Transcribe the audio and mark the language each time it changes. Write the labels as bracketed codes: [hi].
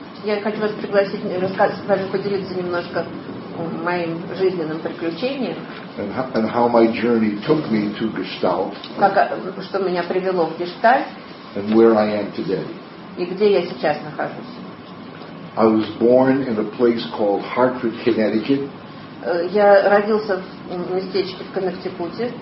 [ru] Я хочу вас пригласить, рассказать, даже поделиться немножко моим жизненным приключением. [en] And how my journey took me to Gestalt. [ru] Как, что меня привело в Гештальт. [en] And where I am today. [ru] И где я сейчас нахожусь. [en] I was born in a place called Hartford, Connecticut. [ru] Я родился в местечке в Коннектикуте.